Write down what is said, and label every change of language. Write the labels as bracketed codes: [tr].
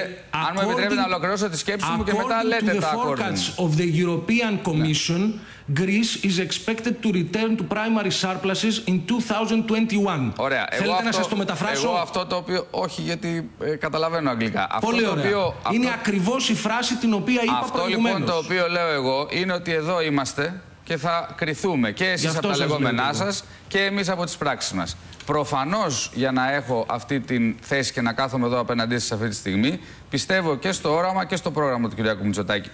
[el] Αν μου επιτρέπετε να ολοκληρώσω τη σκέψη μου και μετά λέτε τα according. [en] Of the European Commission, Greece is expected to return to primary surpluses in 2021. [el] Ωραία. Θέλετε να σας το μεταφράσω. Εγώ αυτό το οποίο. Όχι, γιατί καταλαβαίνω αγγλικά. Πολύ αυτό ωραία. Το οποίο, είναι ακριβώς η φράση την οποία είπα προηγουμένως. Αυτό λοιπόν το οποίο λέω εγώ είναι ότι εδώ είμαστε και θα κρυθούμε και εσείς από τα λεγόμενά σας και εμείς από τις πράξεις μας. Προφανώς για να έχω αυτή τη θέση και να κάθομαι εδώ απέναντί σας αυτή τη στιγμή, πιστεύω και στο όραμα και στο πρόγραμμα του κυριακού Μητσοτάκη.